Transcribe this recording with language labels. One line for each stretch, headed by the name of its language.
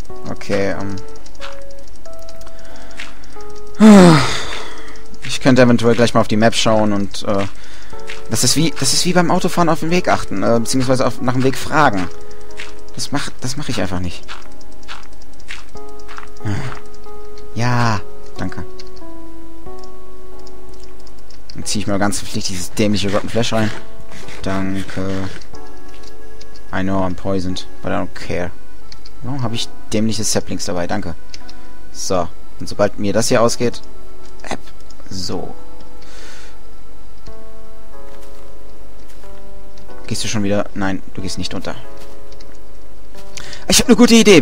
German: Okay, ich könnte eventuell gleich mal auf die Map schauen und, Das ist wie beim Autofahren auf den Weg achten, beziehungsweise nach dem Weg fragen. Das mache ich einfach nicht. Ja, danke. Dann ziehe ich mir ganz pflichtig dieses dämliche Rotten Flash rein. Danke.
English: I know I'm poisoned, but I don't care.
German: Warum habe ich dämliche Saplings dabei? Danke. So, und sobald mir das hier ausgeht... So. Gehst du schon wieder? Nein, du gehst nicht unter. Ich habe eine gute Idee.